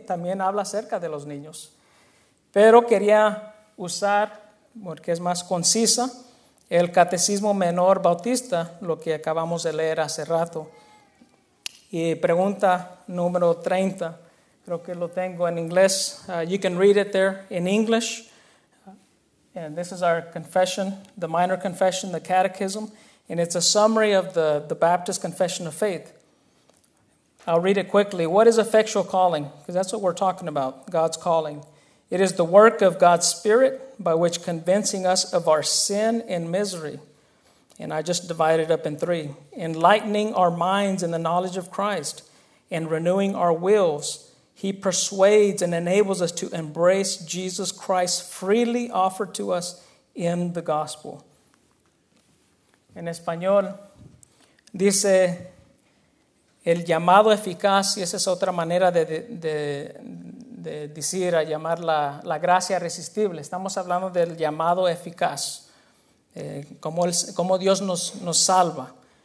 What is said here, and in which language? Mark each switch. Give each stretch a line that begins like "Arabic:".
Spanish: También habla acerca de los niños. Pero quería usar, porque es más concisa, el Catecismo Menor Bautista, lo que acabamos de leer hace rato. Y pregunta número 30, creo que lo tengo en inglés.
English: You can read it there in English. And this is our confession, the minor confession, the catechism. And it's a summary of the Baptist Confession of Faith. I'll read it quickly. What is effectual calling? Because that's what we're talking about, God's calling. It is the work of God's Spirit by which convincing us of our sin and misery, and I just divide it up in three, enlightening our minds in the knowledge of Christ and renewing our wills, he persuades and enables us to embrace Jesus Christ freely offered to us in the gospel.
Spanish: En español, dice, el llamado eficaz, y esa es otra manera de decir, a llamar la gracia irresistible. Estamos hablando del llamado eficaz, cómo Dios nos salva.